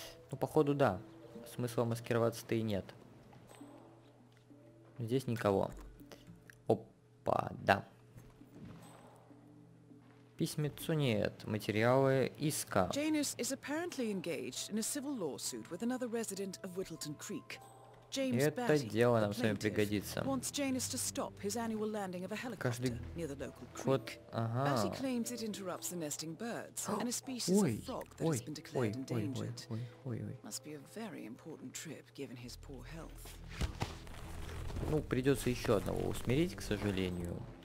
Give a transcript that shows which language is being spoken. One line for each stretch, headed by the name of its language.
Russian: Ну, походу, да. Смысла маскироваться-то и нет. Здесь никого. Опа, да. Письмецу нет, материалы иска.
English: Janus is apparently engaged in a civil lawsuit with another resident of Whittleton Creek.
Russian: James Batty, это дело нам с вами пригодится.
English: Wants Janus to stop his annual landing of a helicopter near the local creek. Ага. Batty claims it interrupts the nesting birds and a species of frog that has been declared endangered. Must be a very important trip given his poor health.
Russian: Ну, придется еще одного усмирить, к сожалению.